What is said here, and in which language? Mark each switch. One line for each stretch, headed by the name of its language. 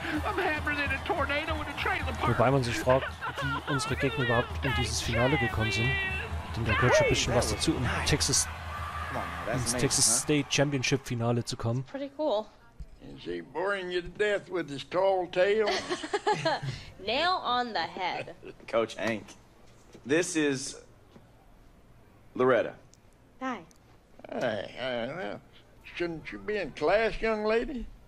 English: I'm happier than a tornado in a trailer park.
German: Wobei man sich fragt, wie unsere Gegner überhaupt in dieses Finale gekommen sind. Denn da gehört schon ein bisschen was dazu, um Texas ins Texas State Championship Finale zu kommen.
English: Pretty cool. Is he boring you to death with his tall tail? Nail on the head. Coach Hank, this is Loretta. Hi. Hey, shouldn't you be in class, young lady?